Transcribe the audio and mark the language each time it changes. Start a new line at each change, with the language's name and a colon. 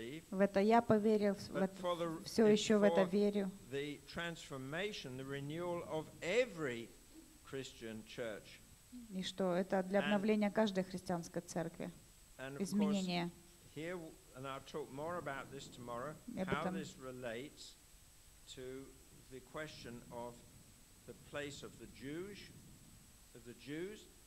Russian: В это я поверил, все еще в это верю.
English: The transformation, the renewal of every Christian church.
Russian: И что это для обновления каждой христианской церкви, изменения.
English: Here, and I'll talk more about this tomorrow. How this relates to the question of the place of the Jews,